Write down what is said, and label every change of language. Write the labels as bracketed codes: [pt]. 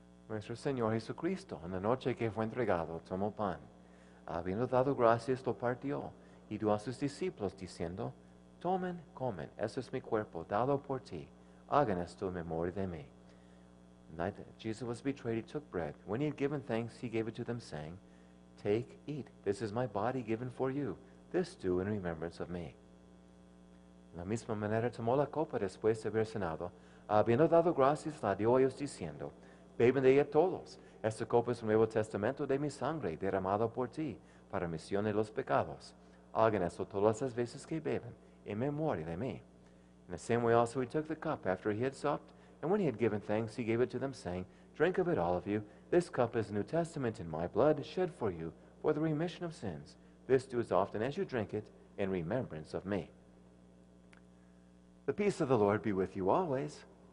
[es] Nuestro Señor Jesucristo, en la noche que fue entregado, tomó pan. Habiendo dado gracias, lo partió y dio a sus discípulos, diciendo, tomen, comen, eso es mi cuerpo, dado por ti. Hagan esto en memoria de mí. [en] Night that Jesus was betrayed, he took bread. When he had given thanks, he gave it to them, saying, take, eat, this is my body given for you. This do in remembrance of me. [es] La misma manera tomó la copa después de haber cenado. Habiendo dado gracias, la dio a ellos, diciendo, beben de ella todos. Esta copa es el Nuevo Testamento de mi sangre, derramado por ti, para remisión de los pecados. Hagan esto todas las veces que beben, en memoria de mí. [en] In the same way also he took the cup after he had supped, and when he had given thanks, he gave it to them, saying, drink of it, all of you. This cup is the New Testament in my blood, shed for you, for the remission of sins. This do as often as you drink it, in remembrance of me. The peace of the Lord be with you always.